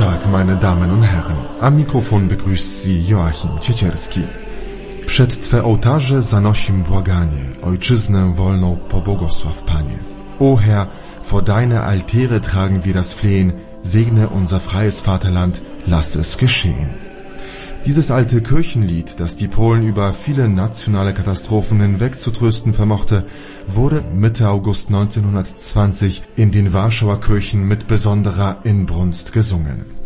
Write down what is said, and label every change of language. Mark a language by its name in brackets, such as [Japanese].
[German] Meine Damen und Herren, am Mikrofon begrüßt Sie Joachim Ciecierski. [Polish] Przed Twe ołtarze zanosim błaganie, Ojczyznę wolną pobłogosław Panie. [German] O Herr, vor Deine Altäre tragen wir das Flehen, segne unser freies Vaterland, lass es geschehen. Dieses alte Kirchenlied, das die Polen über viele nationale Katastrophen hinweg zu trösten vermochte, wurde Mitte August 1920 in den Warschauer Kirchen mit besonderer Inbrunst gesungen.